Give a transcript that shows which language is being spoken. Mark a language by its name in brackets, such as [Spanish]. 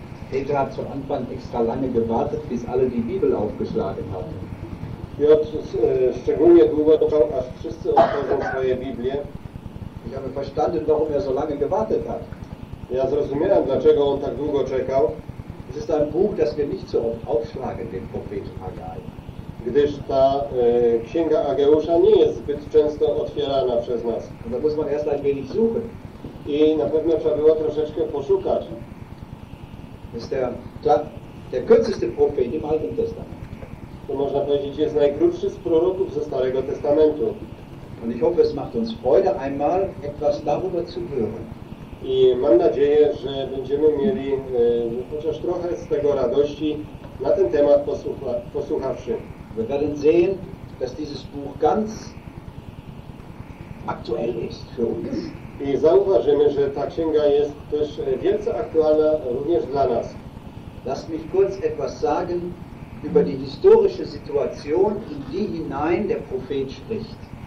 [German] Peter hat zu Anfang extra lange gewartet, bis alle die Bibel aufgeschlagen haben. [Polish] Piotr szczególnie długo czekał, aż wszyscy otworzą swoje Biblię. [German] Ich habe verstanden, warum so lange gewartet hat. [Polish] Ja zrozumiałem, dlaczego on tak długo czekał. [German] Es ist ein Buch, das wir nicht so oft aufschlagen, den Propheten Haggai. [Polish] Gdyż ta księga Ageusza nie jest zbyt często otwierana przez nas. [German] Da muss man erst ein wenig suchen. [Polish] I na pewno trzeba było troszeczkę poszukać. [German] Jest der kürzeste Prophet im Alten Testament. [Polish] To można powiedzieć, jest najkrótszy z proroków ze Starego Testamentu. [German] Und ich hoffe, es macht uns Freude, einmal etwas darüber zu hören. [Polish] I mam nadzieję, że będziemy mieli chociaż trochę z tego radości na ten temat posłuchawszy. [German] Wir werden sehen, dass dieses Buch ganz aktuell ist für uns. [Polish] I zauważymy, że ta księga jest też wielce aktualna również dla nas. [German] Lass mich kurz etwas sagen über die historische Situation, in die hinein der Prophet spricht.